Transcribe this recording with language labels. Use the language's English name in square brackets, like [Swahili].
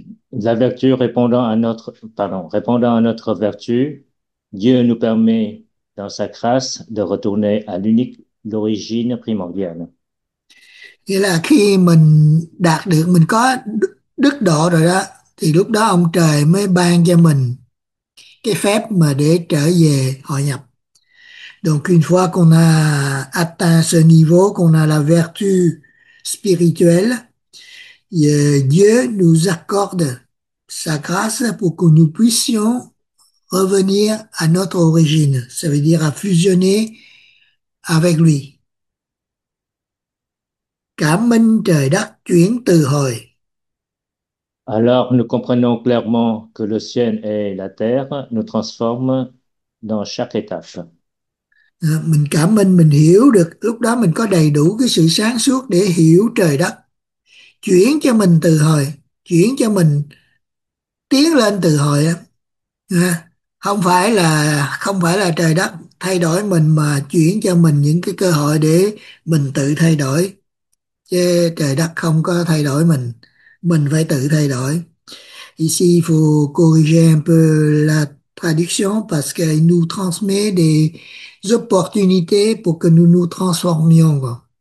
[French] La vertu répondant à notre vertu, Dieu nous permet dans sa grâce de retourner à l'origine primordiale. [Vietnamese] Nghĩa là khi mình đạt được, mình có đức độ rồi đó, thì lúc đó ông trời mới ban cho mình cái phép mà để trở về hội nhập. [French] Donc une fois qu'on a atteint ce niveau, qu'on a la vertu spirituelle, Dieu nous accorde sa grâce pour que nous puissions revenir à notre origine. Ça veut dire à fusionner avec lui. [Vietnamese] Cảm minh trời đất chuyển từ hồi. [French] Alors, nous comprenons clairement que le ciel et la terre nous transforment dans chaque étape. [Vietnamese] Mình cảm minh, mình hiểu được. Lúc đó mình có đầy đủ cái sự sáng suốt để hiểu trời đất chuyển cho mình từ hồi, chuyển cho mình tiến lên từ hồi á. Không phải là trời đất thay đổi mình mà chuyển cho mình những cái cơ hội để mình tự thay đổi. Chứ trời đất không có thay đổi mình phải tự thay đổi. [French] Ici, il faut corriger un peu la traduction parce qu'elle nous transmet des opportunités pour que nous nous transformions.